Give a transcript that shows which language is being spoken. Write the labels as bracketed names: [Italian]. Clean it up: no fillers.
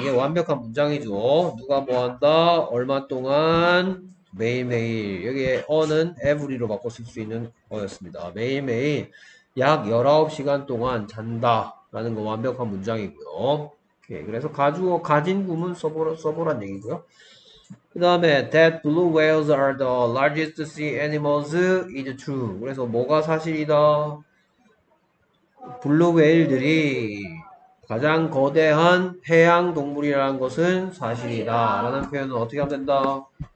[Korean] 이게 완벽한 문장이죠. 누가 뭐 한다? 얼마 동안? 매일매일. 여기에 on은 every로 바꿔 쓸 수 있는 어였습니다. 매일매일 약 19시간 동안 잔다 라는 거 완벽한 문장이고요. 오케이. 그래서 가주어 가진 구문 써보란 얘기고요. 그 다음에 [English] that blue whales are the largest sea animals is true. [Korean] 그래서 뭐가 사실이다? 블루 웨일들이 가장 거대한 해양 동물이라는 것은 사실이다 라는 표현은 어떻게 하면 된다?